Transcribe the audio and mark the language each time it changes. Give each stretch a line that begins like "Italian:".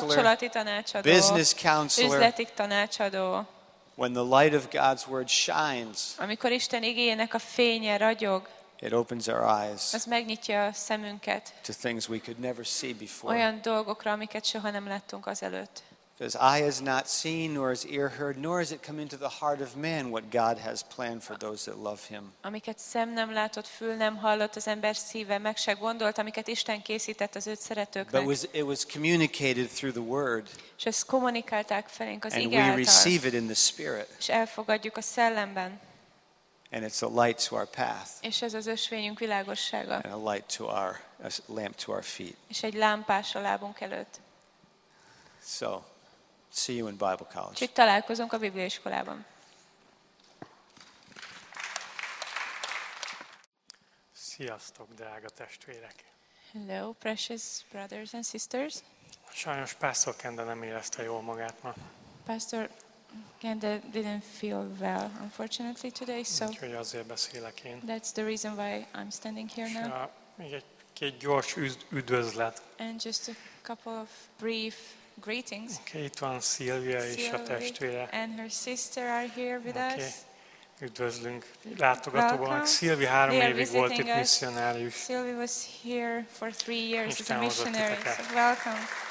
Hungarian: kapcsolati tanácsadó.
English: Business counselor.
Hungarian: Üzleti tanácsadó.
English: When the light of God's word shines.
Hungarian: Amikor Isten igéjének a fénye ragyog.
English: It opens our eyes.
Hungarian: Az megnyitja a szemünket.
English: To things we could never see before.
Hungarian: Olyan dolgokra, amiket soha nem láttunk azelőtt.
English: Because eye has not seen, nor has ear heard, nor has it come into the heart of man what God has planned for those that love him.
Hungarian: Amiket szem nem látott, fül nem hallott, az ember szíve meg se gondolt, amiket Isten készített az őt szeretőknek.
English: But it was communicated through the word.
Hungarian: És ezt kommunikálták felénk az ige által.
English: And we receive it in the spirit.
Hungarian: És elfogadjuk a szellemben.
English: And it's a light to our path.
Hungarian: És ez az ösvényünk világossága.
English: And a light to our, a lamp to our feet.
Hungarian: És egy lámpás a lábunk előtt.
English: So, see you in Bible college.
Hungarian: Itt találkozunk a Biblia iskolában. Sziasztok, drága testvérek.
English: Hello, precious brothers and sisters.
Hungarian: Sajnos Pastor Kenda nem érezte jól magát ma.
English: Pastor Kenda didn't feel well, unfortunately today, so.
Hungarian: Úgyhogy azért beszélek én.
English: That's the reason why I'm standing here now.
Hungarian: Még egy két gyors üdvözlet.
English: And just a couple of brief greetings.
Hungarian: Okay, itt van Sylvia és a testvére.
English: And her sister are here with us.
Hungarian: Üdvözlünk látogatóknak. Szilvi három évig volt itt misszionárius.
English: Sylvie was here for 3 years as a missionary. So welcome.